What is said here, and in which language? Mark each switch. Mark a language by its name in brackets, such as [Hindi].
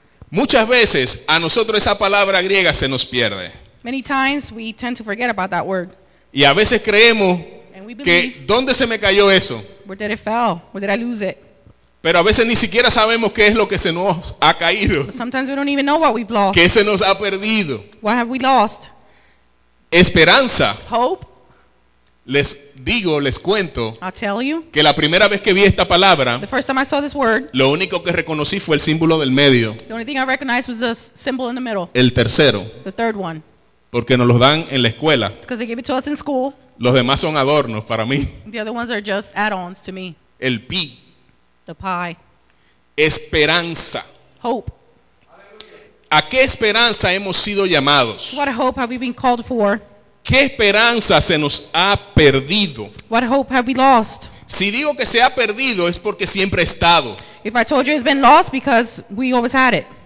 [Spanish] Muchas veces a nosotros esa palabra griega se nos pierde. [English] Many times we tend to forget about that word. [Spanish] Y a veces creemos que ¿dónde se me cayó eso? [English] Where did it fall? Where did I lose it? [Spanish] Pero a veces ni siquiera sabemos qué es lo que se nos ha caído. [English] But sometimes we don't even know what we've lost. [Spanish] ¿Qué se nos ha perdido? [English] What have we lost? [Spanish] Esperanza. [English] Hope. [Spanish] Les digo, les cuento, [English] I'll tell you, [Spanish] que la primera vez que vi esta palabra, [English] the first time I saw this word, [Spanish] lo único que reconocí fue el símbolo del medio. [English] The only thing I recognized was the symbol in the middle. [Spanish] El tercero. [English] The third one. [Spanish] Porque nos los dan en la escuela. [English] Because they gave it to us in school. [Spanish] Los demás son adornos para mí. [English] The other ones are just add-ons to me. [Spanish] El pi. [English] The pi. [Spanish] Esperanza. [English] Hope. [Spanish] ¿A qué esperanza hemos sido llamados? [English] What hope have we been called for? [Spanish] ¿Qué esperanza se nos ha perdido? [English] What hope have we lost? [Spanish] Si digo que se ha perdido es porque siempre ha estado. [English] If I told you it's been lost because we always had it.